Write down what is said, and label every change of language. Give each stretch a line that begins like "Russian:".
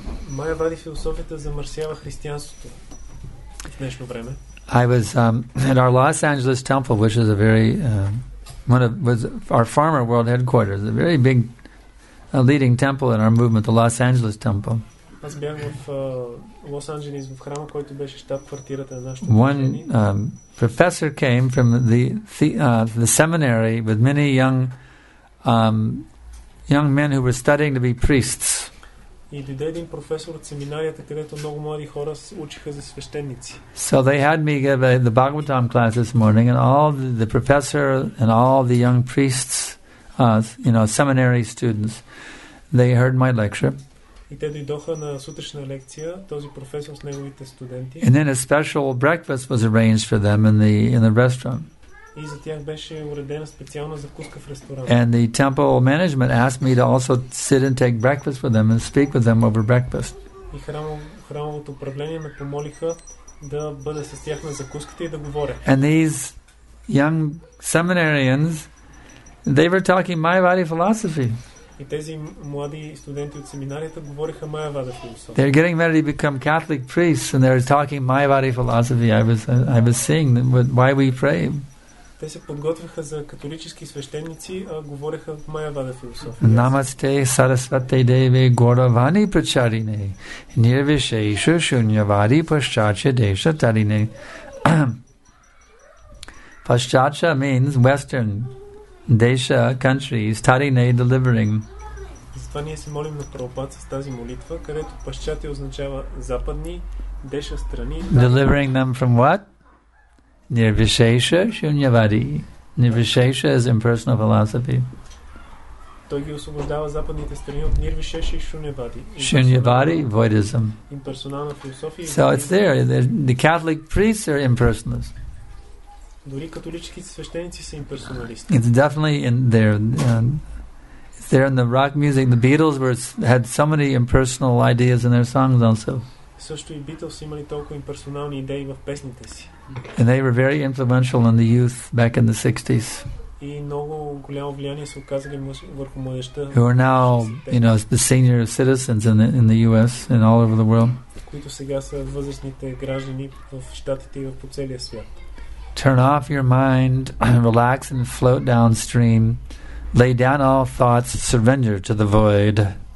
Bulgarian: Mayavadi filosofията замърсява християнството в днешно време.
English: I was at our Los Angeles temple, which is a very was our former world headquarters, a very big leading temple in our movement, the Los Angeles temple.
Bulgarian: Аз бях в Лос Анджелес, в храма, който беше щаб-квартирата на нашето движение.
English: One professor came from the seminary with many young men who were studying to be priests.
Bulgarian: И дойде един професор от семинарията, където много млади хора учиха за свещеници.
English: So they had me give the Bhagavatam class this morning, and all the professor and all the young priests, seminary students, they heard my lecture.
Bulgarian: И те дойдоха на сутрешна лекция, този професор с неговите студенти.
English: And then a special breakfast was arranged for them in the restaurant.
Bulgarian: И за тях беше уредена специална закуска в ресторанта.
English: And the temple management asked me to also sit and take breakfast with them and speak with them over breakfast.
Bulgarian: И храмовото управление ме помолиха да бъда с тях на закуската и да говоря.
English: And these young seminarians, they were talking Mayavadi philosophy.
Bulgarian: И тези млади студенти от семинарията говориха майявада философия.
English: They're getting ready to become Catholic priests and they're talking Mayavadi philosophy. I was seeing why we pray.
Bulgarian: Те се подготвяха за католически свещеници, а говореха майявада философия.
Sanskrit: Намасте Сарасвате Деве Горавани Прачарине Нирвишешу Шуньявади Пашчача Деша Тарине.
English: Пашчача means Western. Desha country is Tarine delivering.
Bulgarian: Затова ние се молим на Прабхупад с тази молитва, където пащати означава западни, деша страни.
English: Delivering them from what? Nirvishesha Shunyavadi. Nirvishesha is impersonal philosophy.
Bulgarian: Той ги освобождава западните страни от Nirvishesha и Shunyavadi.
English: Shunyavadi, voidism.
Bulgarian: Имперсонална философия.
English: So it's there. The Catholic priests are impersonalists.
Bulgarian: Дори католическите свещеници са имперсоналисти.
English: It's definitely in there. It's there in the rock music. The Beatles had so many impersonal ideas in their songs also.
Bulgarian: Също и Beatles имали толкова имперсонални идеи в песните си.
English: And they were very influential on the youth back in the 60s.
Bulgarian: И много голямо влияние се оказали върху младежта.
English: Who are now, the senior citizens in the US and all over the world.
Bulgarian: Които сега са възрастните граждани в щатите и по целия свят.
English: Turn off your mind, relax and float downstream. Lay down all thoughts, surrender to the void.